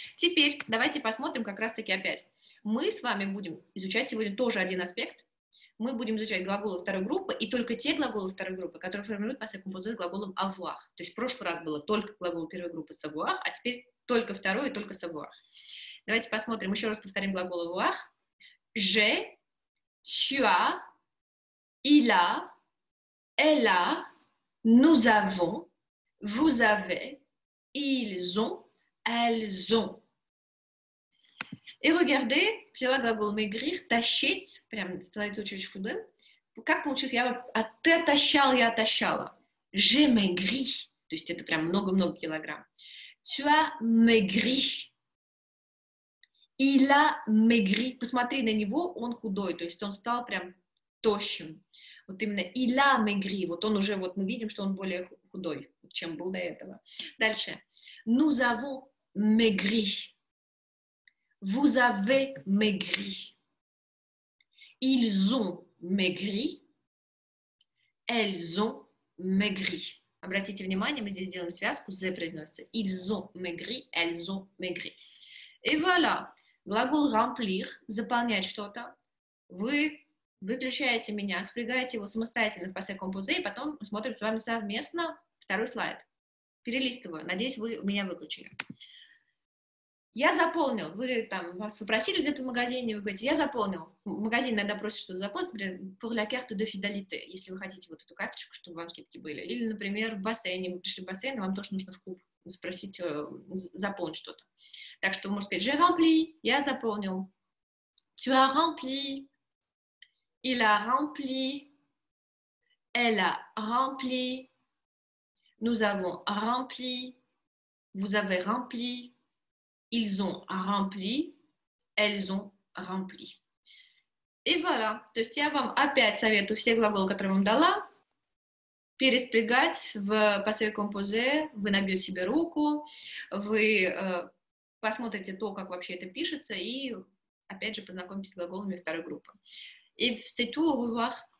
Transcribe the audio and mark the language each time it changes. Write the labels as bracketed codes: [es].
[ru] Теперь давайте посмотрим как раз-таки опять. Мы с вами будем изучать сегодня тоже один аспект. Мы будем изучать глаголы второй группы и только те глаголы второй группы, которые формируют passé composé с глаголом avoir. То есть в прошлый раз было только глагол первой группы с avoir, а теперь только второй и только с avoir. Давайте посмотрим. Еще раз повторим глагол avoir. [fr] Je, tu as, il a, elle a, nous avons, vous avez, ils ont, elles ont. [ru] И regardez, взяла глагол maigrir, тащить, прям становится очень-очень худым. Как получилось, я отощал, я отощала. [fr] J'ai maigri, [ru] то есть это прям много-много килограмм. [fr] Tu as maigri. Il a maigri. [ru] Посмотри на него, он худой, то есть он стал прям тощим. Вот именно [fr] il a maigri, [ru] вот он уже, вот мы видим, что он более худой, чем был до этого. Дальше. [fr] Nous avons maigri. Vous avez maigri. Ils ont maigri. Elles ont maigri. [ru] Обратите внимание, мы здесь делаем связку, «з» произносится. [fr] Ils ont maigri, elles ont maigri. [ru] И voilà. Глагол remplir, заполнять что-то. Вы выключаете меня, спрягаете его самостоятельно в passé composé, и потом смотрим с вами совместно второй слайд. Перелистываю. Надеюсь, вы меня выключили. Я заполнил, вы там, вас попросили где-то в магазине, вы говорите, я заполнил. Магазин иногда просит, что заполнить, например, [fr] pour la carte de fidélité, [ru] если вы хотите вот эту карточку, чтобы вам скидки были. Или, например, в бассейне, вы пришли в бассейн, вам тоже нужно в клуб спросить, заполнить что-то. Так что вы можете сказать: [fr] j'ai rempli, [ru] я заполнил. [fr] Tu as rempli, il a rempli, elle a rempli, nous avons rempli, vous avez rempli, ils ont rempli, elles ont rempli. [ru] И voilà. То есть я вам опять советую все глаголы, которые вам дала, переспрягать в passé composé, вы набьете себе руку, вы посмотрите то, как вообще это пишется, и опять же познакомьтесь с глаголами второй группы. И [fr] c'est tout, au revoir.